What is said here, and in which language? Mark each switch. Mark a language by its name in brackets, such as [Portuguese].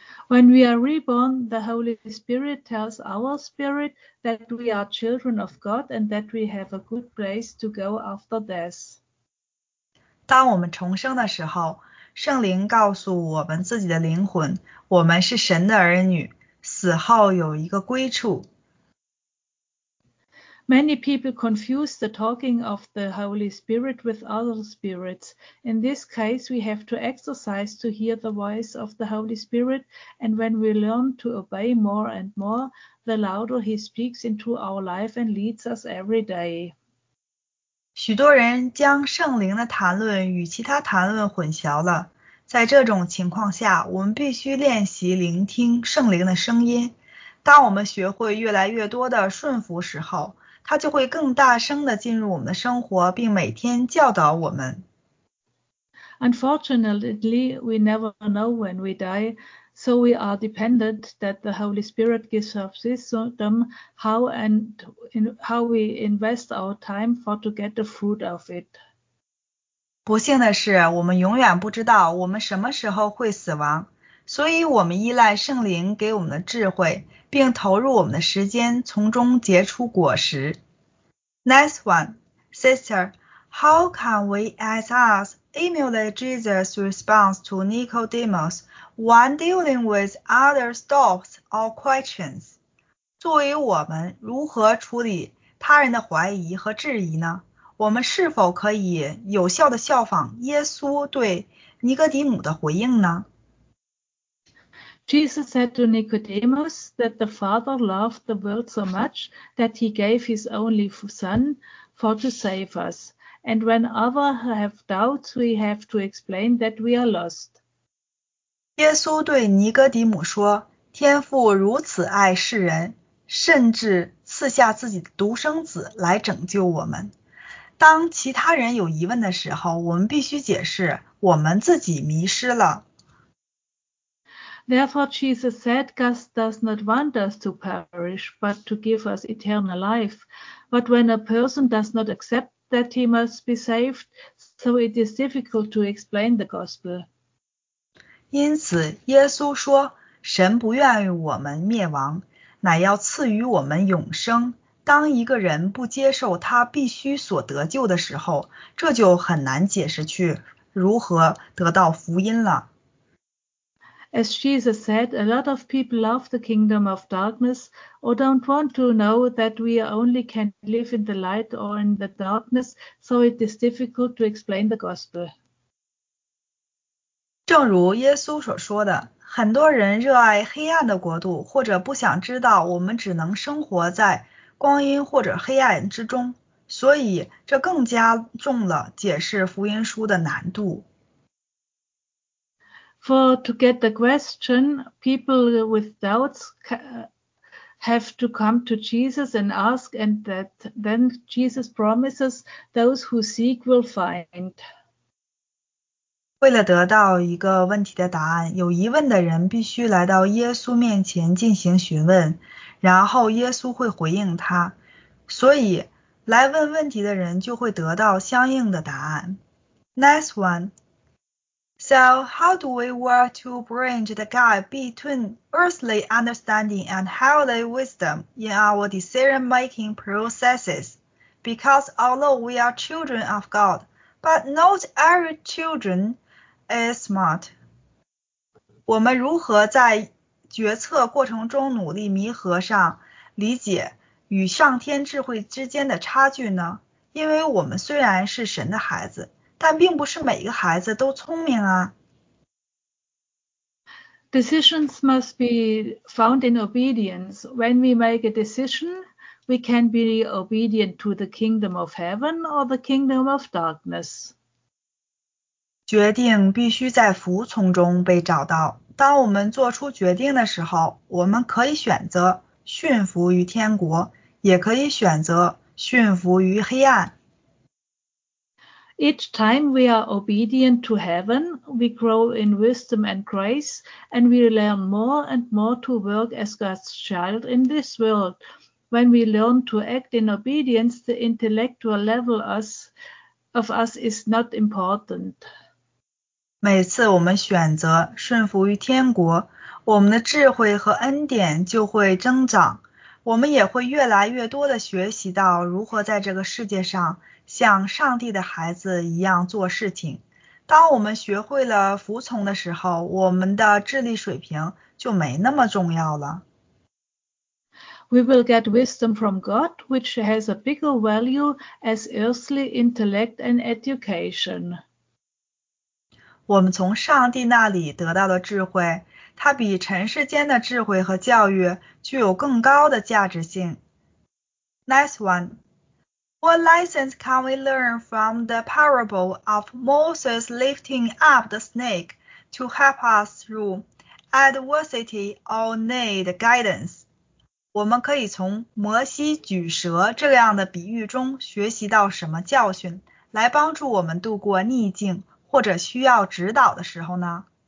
[English] When we are reborn, the Holy Spirit tells our spirit that we are children of God and that we have a good place to go after death. [Chinese] 当我们重生的时候，圣灵告诉我们自己的灵魂，我们是神的儿女，死后有一个归处。 [English] Many people confuse the talking of the Holy Spirit with other spirits. In this case, we have to exercise to hear the voice of the Holy Spirit, and when we learn to obey more and more, the louder he speaks into our life and leads us every day. [Chinese] 许多人将圣灵的谈论与其他谈论混淆了。在这种情况下，我们必须练习聆听圣灵的声音。当我们学会越来越多的顺服时候，他就会更大声地进入我们的生活，并每天教导我们。 [English] Unfortunately, we never know when we die, so we are dependent that the Holy Spirit gives us wisdom how we invest our time for to get the fruit of it. [Chinese] 不幸的是，我们永远不知道我们什么时候会死亡，所以我们依赖圣灵给我们的智慧，并投入我们的时间，从中结出果实。 [English] Next one, sister, how can we as us emulate Jesus' response to Nicodemus when dealing with others' doubts or questions? [Chinese] 作为我们如何处理他人的怀疑和质疑呢？我们是否可以有效地效仿耶稣对尼哥底姆的回应呢？ [English] Jesus said to Nicodemus that the Father loved the world so much that he gave his only Son for to save us. And when others have doubts, we have to explain that we are lost. [Chinese] 耶稣对尼哥底母说，天父如此爱世人，甚至赐下自己的独生子来拯救我们。当其他人有疑问的时候，我们必须解释我们自己迷失了。 [English] Therefore, Jesus said, God does not want us to perish, but to give us eternal life. But when a person does not accept that he must be saved, so it is difficult to explain the gospel. [Chinese] 因此，耶稣说，神不愿意我们灭亡，乃要赐予我们永生。当一个人不接受他必须所得救的时候，这就很难解释去如何得到福音了。 [English] As Jesus said, a lot of people love the kingdom of darkness or don't want to know that we only can live in the light or in the darkness, so it is difficult to explain the gospel. [Chinese] 正如耶稣所说的，很多人热爱黑暗的国度，或者不想知道我们只能生活在光阴或者黑暗之中，所以这更加重了解释福音书的难度。 [English] For to get the question, people with doubts have to come to Jesus and ask, and that then Jesus promises those who seek will find. [Chinese] 为了得到一个问题的答案，有疑问的人必须来到耶稣面前进行询问，然后耶稣会回应他。所以，来问问题的人就会得到相应的答案。 [English] Next one. So, how do we work to bridge the gap between earthly understanding and heavenly wisdom in our decision-making processes? Because although we are children of God, but not every children is smart. [Chinese] 我们如何在决策过程中努力弥合上理解与上天智慧之间的差距呢？因为我们虽然是神的孩子，但并不是每一个孩子都聪明啊。 [English] Decisions must be found in obedience. When we make a decision, we can be obedient to the kingdom of heaven or the kingdom of darkness. [Chinese] 决定必须在服从中被找到。当我们做出决定的时候，我们可以选择驯服于天国，也可以选择驯服于黑暗。 [English] Each time we are obedient to heaven, we grow in wisdom and grace, and we learn more and more to work as God's child in this world. When we learn to act in obedience, the intellectual level of us is not important. [Chinese] 每次我们选择顺服于天国，我们的智慧和恩典就会增长，我们也会越来越多的学习到如何在这个世界上像上帝的孩子一样做事情。当我们学会了服从的时候，我们的智力水平就没那么重要了。 [English] We will get wisdom from God, which has a bigger value as earthly intellect and education. [Chinese] 我们从上帝那里得到的智慧，它比尘世间的智慧和教育具有更高的价值性。 [English] Next one. What lessons can we learn from the parable of Moses lifting up the snake to help us through adversity or need guidance? [Chinese] 我们可以从摩西举蛇这样的比喻中学习到什么教训，来帮助我们度过逆境或者需要指导的时候呢？